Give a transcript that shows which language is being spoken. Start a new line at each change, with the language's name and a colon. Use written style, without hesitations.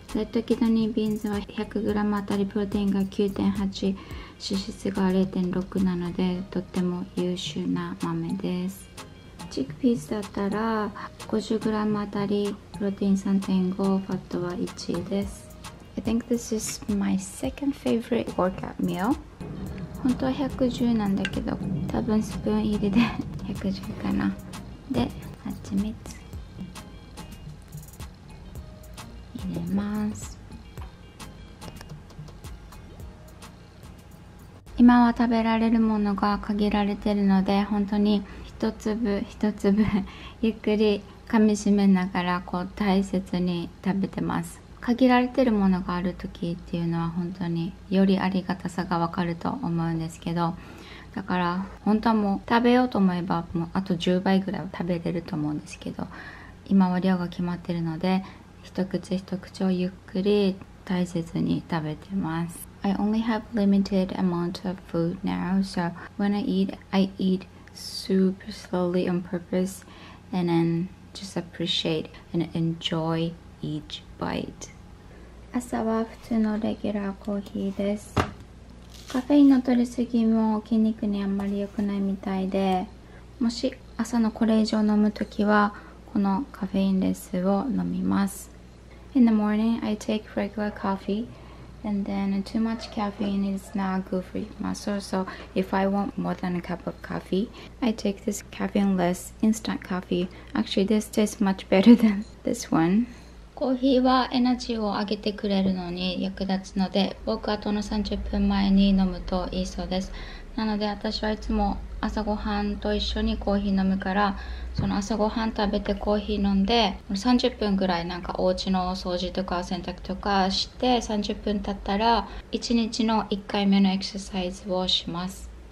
Japanese: レッドキドニービーンズは 100g あたりプロテインが 9.8、 脂質が 0.6 なのでとっても優秀な豆です。チックピースだったら 50g あたりプロテイン 3.5、 ファットは1です。
English: I think this is my second favorite workout meal.
Japanese: 本当は110なんだけど、多分スプーン入りで110かな。で、ハチミツ入れます。今は食べられるものが限られてるので、本当に一粒一粒ゆっくり噛みしめながらこう大切に食べてます。限られてるものがある時っていうのは本当によりありがたさがわかると思うんですけど、だから本当はもう食べようと思えばもうあと10倍ぐらいは食べれると思うんですけど、今は量が決まってるので一口一口をゆっくり大切に食べてます。
English: I only have limited amount of food now, so when I eat super slowly on purpose and then just appreciate and enjoy each bite.
Japanese: 朝は普通のレギュラーコーヒーです。カフェインの取りすぎも筋肉にあんまり良くないみたいで、もし朝のこれ以上飲むときはこのカフェインレスを飲みます。
English: In the morning, I take regular coffee, and then too much caffeine is not good for muscles. So if I want more than a cup of coffee, I take this caffeine-less instant coffee. Actually, this tastes much better than this one.
Japanese: コーヒーはエナジーを上げてくれるのに役立つので、ウォークアウトの30分前に飲むといいそうです。なので私はいつも朝ごはんと一緒にコーヒー飲むから、その朝ごはん食べてコーヒー飲んで30分ぐらい、なんかお家の掃除とか洗濯とかして、30分経ったら1日の1回目のエクササイズをします。